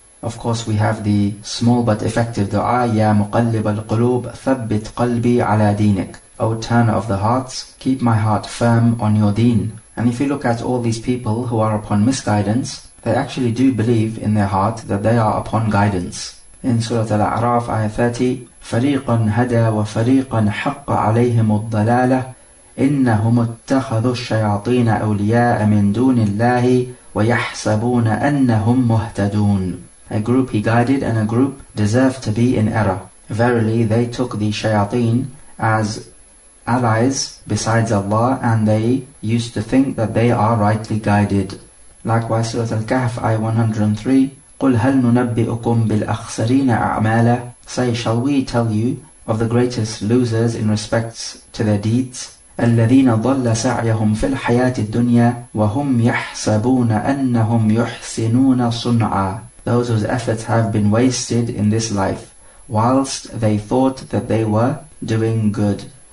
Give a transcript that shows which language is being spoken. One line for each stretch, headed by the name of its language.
English: Of course, we have the small but effective dua,
Arabic: Ya muqallib al-qulub, thabbit qalbi ala deenik.
English: O turner of the hearts, keep my heart firm on your deen. And if you look at all these people who are upon misguidance, they actually do believe in their heart that they are upon guidance. In Surah Al-A'raf, Ayah 30,
Arabic: فَرِيقًا هَدَى وَفَرِيقًا حَقَّ عَلَيْهِمُ الضَّلَالَةِ إِنَّهُمُ اتَّخَذُوا الشَّيَاطِينَ أَوْلِيَاءَ مِن دُونِ اللَّهِ وَيَحْسَبُونَ أَنَّهُمْ مُهْتَدُونَ.
English: A group he guided and a group deserved to be in error. Verily, they took the shayateen as allies besides Allah, and they used to think that they are rightly guided. Likewise, Surah Al-Kahf, Ayah 103,
Arabic: قُلْ هَلْ نُنَبِّئُكُمْ بِالْأَخْسَرِينَ أَعْمَالًا.
English: Say, shall we tell you of the greatest losers in respects to their deeds?
Arabic: الَّذِينَ ضَلَّ سَعْيَهُمْ فِي الْحَيَاةِ الدُّنْيَا وَهُمْ يَحْسَبُونَ أَنَّهُمْ يُحْسِنُونَ صُنْعًا.
English: Those whose efforts have been wasted in this life, whilst they thought that they were doing good.